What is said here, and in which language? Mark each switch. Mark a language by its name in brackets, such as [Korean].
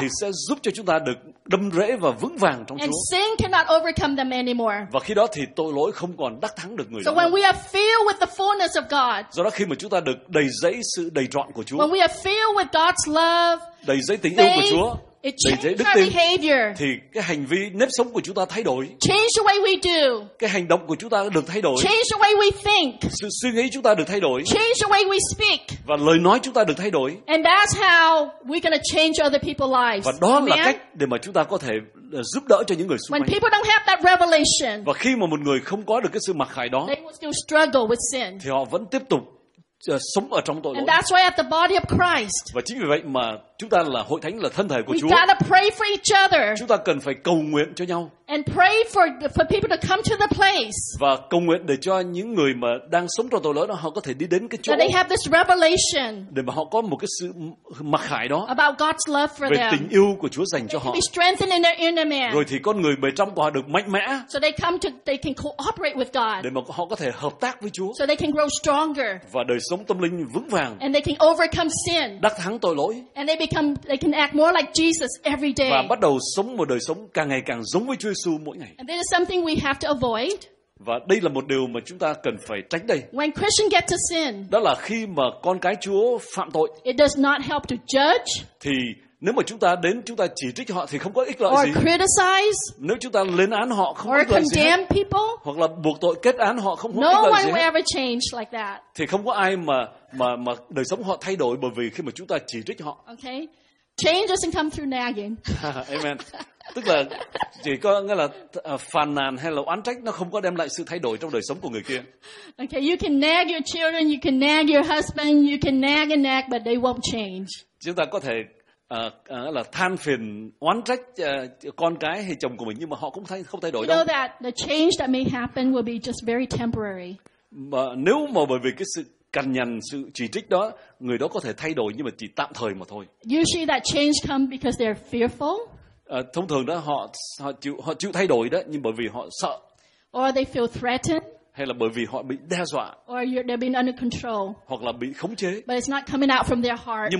[Vietnamese] Thì sẽ giúp cho chúng ta được đâm rễ và vững vàng trong [English] and [Vietnamese] Chúa. [English] And sin cannot overcome them anymore. [Vietnamese] Và khi đó thì tội lỗi không còn đắc thắng được người [English] so [Vietnamese] nữa. [English] When we are filled with the fullness of God, [Vietnamese] do đó khi mà chúng ta được đầy dẫy sự đầy trọn của Chúa, [English] when we are filled with God's love, [Vietnamese] đầy dẫy tình yêu của Chúa, [English] it changes our behavior. [Vietnamese] Thì cái hành vi nếp sống của chúng ta thay đổi. [English] Change the way we do. [Vietnamese] Cái hành động của chúng ta được thay đổi. [English] Change the way we think. [Vietnamese] Sự suy nghĩ chúng ta được thay đổi. [English] Change the way we speak. [Vietnamese] Và lời nói chúng ta được thay đổi. [English] And that's how we're going to change other people's lives. [Vietnamese] Và đó là cách để mà chúng ta có thể giúp đỡ cho những người xung quanh. [English] When people don't have that revelation. [Vietnamese] Và khi mà một người không có được cái sự mặc khải đó, [English] they will still struggle with sin. [Vietnamese] Thì họ vẫn tiếp tục sống ở trong tội lỗi. [English] And that's why at the body of Christ. [Vietnamese] Và chính vì vậy mà chúng ta là hội thánh, là thân thể của [English] we [Vietnamese] Chúa. [English] We gotta pray for each other. [Vietnamese] Chúng ta cần phải cầu nguyện cho nhau. [English] And pray for people to come to the place. [Vietnamese] Và cầu nguyện để cho những người mà đang sống trong tội lỗi đó, họ có thể đi đến cái chỗ. [English] That they have this revelation. [Vietnamese] Để mà họ có một cái sự mặc khải đó. [English] About God's love for them. [Vietnamese] Về tình yêu của Chúa dành cho họ. [English] They can be strengthened in their inner man. [Vietnamese] Rồi thì con người bề trong của họ được mạnh mẽ. [English] So they come to, they can cooperate with God. [Vietnamese] Để mà họ có thể hợp tác với Chúa. [English] So they can grow stronger. [Vietnamese] Và đời sống tâm linh vững vàng. [English] And they can overcome sin. [Vietnamese] Đắc thắng tội lỗi. [English] And they can act more like Jesus every day. [Vietnamese] Và bắt đầu sống một đời sống càng ngày càng giống với Chúa Giêsu mỗi ngày. [English] And this is something we have to avoid. [Vietnamese] Và đây là một điều mà chúng ta cần phải tránh đây. [English] When Christians get to sin. [Vietnamese] Đó là khi mà con cái Chúa phạm tội. [English] It does not help to judge. [Vietnamese] Thì nếu mà chúng ta đến chúng ta chỉ trích họ thì không có ích lợi [English] or [Vietnamese] gì. [English] Criticize, [Vietnamese] nếu chúng ta lên án họ không có ích lợi gì. [English] People, [Vietnamese] hoặc là buộc tội kết án họ không có [English] no [Vietnamese] ích lợi [English] one [Vietnamese] gì. [English] Ever change like that. [Vietnamese] Thì không có ai mà đời sống họ thay đổi bởi vì khi mà chúng ta chỉ trích họ. [English] Okay. Change doesn't come through nagging. Amen. [Vietnamese] Tức là chỉ có nghĩa là phàn nàn hay là oán trách nó không có đem lại sự thay đổi trong đời sống của người kia. [English] Okay, you can nag your children, you can nag your husband, you can nag and nag, but they won't change. [Vietnamese] Chúng ta có thể là than phiền oán trách con cái hay chồng của mình nhưng mà họ cũng không thay đổi đâu. [English] You know that the change that may happen will be just very temporary. [Vietnamese] Mà nếu mà bởi vì cái sự cằn nhằn, sự chỉ trích đó, người đó có thể thay đổi nhưng mà chỉ tạm thời mà thôi. [English] Usually that change comes because they're fearful. [Vietnamese] Thông thường đó họ chịu thay đổi đó nhưng bởi vì họ sợ. [English] Or they feel threatened. [Vietnamese] Hay là bởi vì họ bị đe dọa. [English] Or they're being under control. [Vietnamese] Hoặc là bị khống chế. [English] But it's not coming out from their heart.